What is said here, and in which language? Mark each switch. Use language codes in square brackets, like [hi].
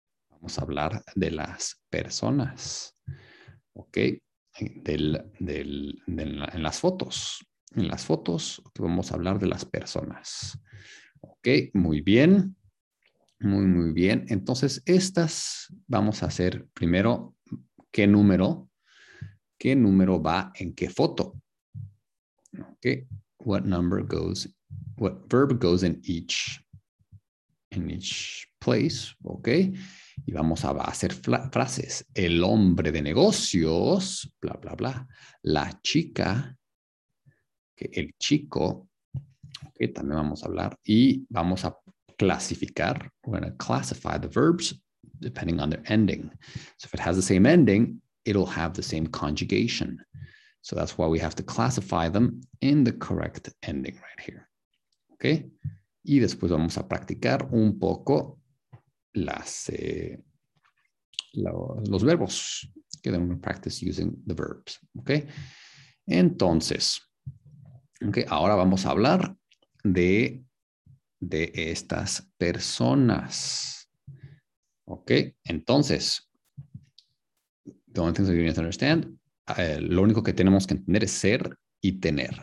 [es] Vamos a hablar de las personas. Ok, en las fotos. En las fotos, okay, vamos a hablar de las personas. Ok, muy bien. Muy bien. Entonces, estas vamos a hacer primero qué número ¿Qué número va en qué foto? Okay. [en] What number goes, what verb goes in each place? [es] Okay. Y vamos a hacer frases. El hombre de negocios, bla, bla, bla. La chica, okay, el chico, okay, también vamos a hablar. Y vamos a clasificar, [en] we're going to classify the verbs depending on their ending. So if it has the same ending, it'll have the same conjugation. So that's why we have to classify them in the correct ending right here. Okay? [es] Y después vamos a practicar un poco los verbos. [en] Okay, then we're going to practice using the verbs. [es] Okay? Entonces, okay, ahora vamos a hablar de estas personas. Okay? Entonces, [en] the only things that you need to understand, [es] lo único que tenemos que entender es ser y tener.